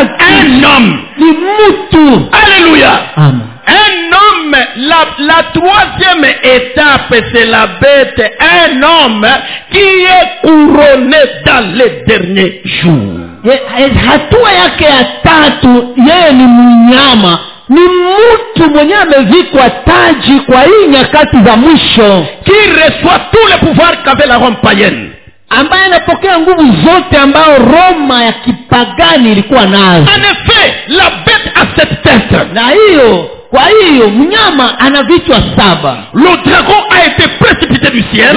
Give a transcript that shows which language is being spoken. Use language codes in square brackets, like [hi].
[fr] un homme. [sw] Ni mtu. Alléluia. Amen. [fr] Un homme. La troisième étape, c'est la bête. Un homme qui est couronné dans les derniers jours. [sw] Hatua yake ya tatu, yeye ni mnyama. Ni mtu mwenye amevikwa taji kwa hii nyakati za mwisho. [fr] Qui reçoit tout le pouvoir qu'avait la Rome païenne. [sw] Ambaye anapokea nguvu zote ambao Roma ya kipagani ilikuwa nazo. [fr] En effet, la bête a sept têtes. [sw] Na hiyo, kwa hiyo mnyama ana vichwa saba. [fr] Le dragon a été précipité du ciel.